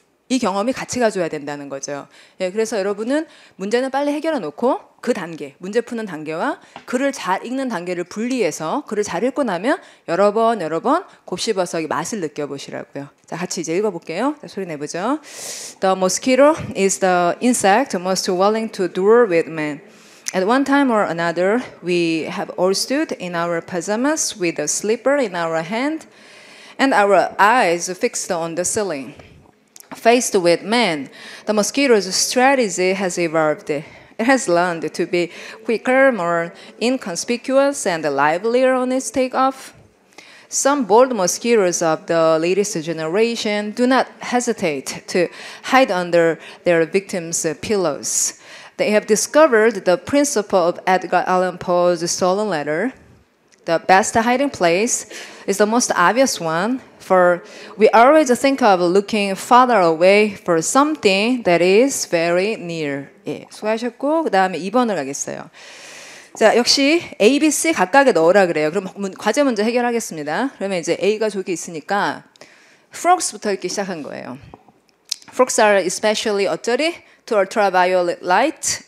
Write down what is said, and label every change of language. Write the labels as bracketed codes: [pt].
[ko] 이 경험이 같이 가져야 된다는 거죠. 예, 그래서 여러분은 문제는 빨리 해결해 놓고 그 단계, 문제 푸는 단계와 글을 잘 읽는 단계를 분리해서 글을 잘 읽고 나면 여러 번 여러 번 곱씹어서 맛을 느껴보시라고요. 자, 같이 이제 읽어볼게요. 자, 소리 내보죠. [en] The mosquito is the insect most willing to dwell with man. At one time or another, we have all stood in our pajamas with a slipper in our hand and our eyes fixed on the ceiling. Faced with man, the mosquito's strategy has evolved. It has learned to be quicker, more inconspicuous, and livelier on its takeoff. Some bold mosquitoes of the latest generation do not hesitate to hide under their victims' pillows. They have discovered the principle of Edgar Allan Poe's stolen letter. The best hiding place is the most obvious one, for we always think of looking farther away for something that is very near. [ko] 예, 수고하셨고 그 다음에 2번을 가겠어요. 자, 역시 A, B, C 각각에 넣으라 그래요. 그럼 과제 먼저 해결하겠습니다. 그러면 이제 A가 저기 있으니까 Frogs부터 읽기 시작한 거예요. [en] Frogs are especially uttery to ultraviolet light.